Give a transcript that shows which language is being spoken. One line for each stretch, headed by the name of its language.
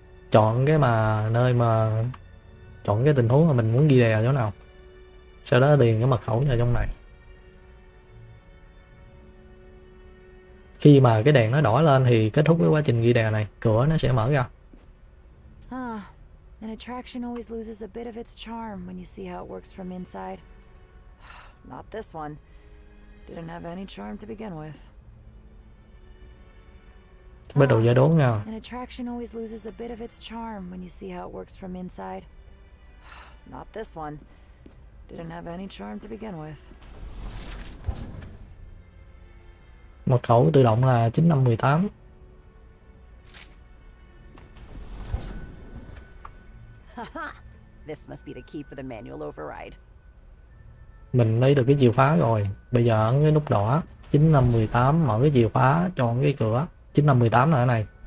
Vietnamese: Chọn cái mà nơi mà, chọn cái tình huống mà mình muốn ghi đè chỗ nào, sau đó điền cái mật khẩu vào trong này. Khi mà cái đèn nó đỏ lên thì kết thúc cái quá trình ghi đè này, cửa nó sẽ mở ra.
English: An attraction always loses a bit of its charm when you see how it works from inside. Not this one. Didn't have any charm to begin with.
Vietnamese: Bắt đầu giải đố nha.
English: An attraction always loses a bit of its charm when you see how it works from inside. Not this one. Didn't have any charm to begin with.
Vietnamese: Mật khẩu tự động là 9518.
English: This must be the key for the manual override.
Vietnamese: Mình lấy được cái chìa khóa rồi. Bây giờ ấn cái nút đỏ 9518, mở cái chìa khóa, chọn cái cửa 9518 là cái này.